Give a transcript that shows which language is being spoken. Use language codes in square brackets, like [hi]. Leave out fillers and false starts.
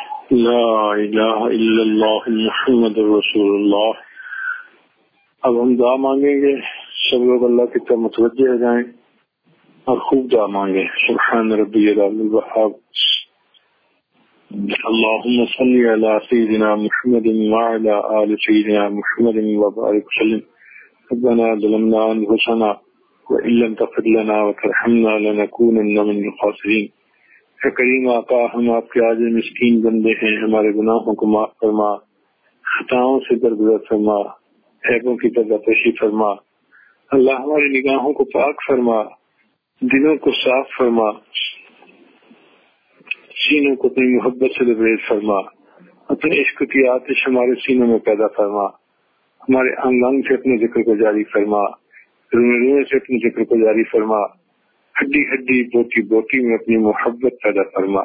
[ar] لا الہ الا اللہ محمد رسول اللہ. [ur] اب ہم دعا مانگیں گے, سب لوگ اللہ کی طرف متوجہ ہو جائیں اور خوب دعا مانگیں. [ar] سبحان ربی العالی الوہاب. اللهم صل على سيدنا محمد وعلى آل سيدنا محمد وبارك وسلم. ربنا ظلمنا أنفسنا وإن لم تغفر لنا وترحمنا لنكونن من الخاسرين. يا كريم [ur] آقا, ہم آپ کے آج مسکین بندے ہیں, ہمارے گناہوں کو معاف فرما, خطاؤں سے درگزر فرما, عیبوں کی پردہ پوشی فرما. اللہ ہماری نگاہوں کو پاک فرما, دلوں کو صاف فرما, سینوں کو اپنی محبت سے لبریز فرما, اپنے عشق کی آتش ہمارے سینوں میں پیدا فرما, ہمارے انگ انگ سے اپنے ذکر کو جاری فرما, رونے رونے سے اپنے ذکر کو جاری فرما, ہڈی ہڈی بوٹی بوٹی میں اپنی محبت پیدا فرما.